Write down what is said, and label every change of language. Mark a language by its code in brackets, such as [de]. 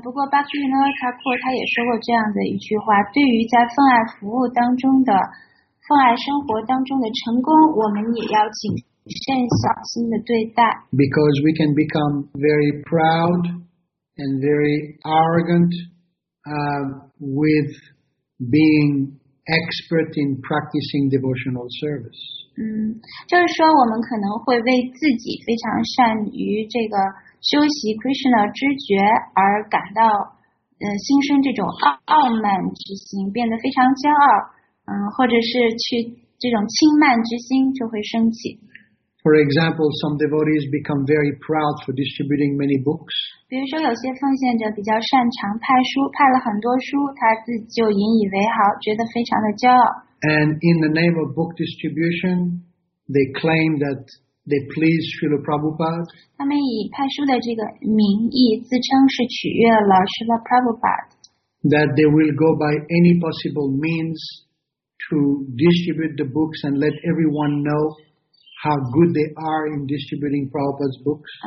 [zh] 不过 Bhaktivinoda Thakur 他也说过这样的一句话，对于在奉爱服务当中的、奉爱生活当中的成功，我们也要谨慎小心的对待。 [en] Because we can become very proud and very arrogant, with being. Expert in practicing devotional service. [zh] 就是说我们可能会为自己非常善于这个修习 Krishna 知觉而感到心生这种傲慢之心，变得非常骄傲，或者是去这种轻慢之心就会升起。 [en] For example, some devotees become very proud for distributing many books. [zh] 比如说，有些奉献者比较擅长派书，派了很多书，他自己就引以为豪，觉得非常的骄傲。 [en] And in the name of book distribution, they claim that they please Srila Prabhupada. [zh] 他们以派书的这个名义自称是取悦了Srila Prabhupada。 [en] That they will go by any possible means to distribute the books and let everyone know how good they are in distributing Prabhupada's books.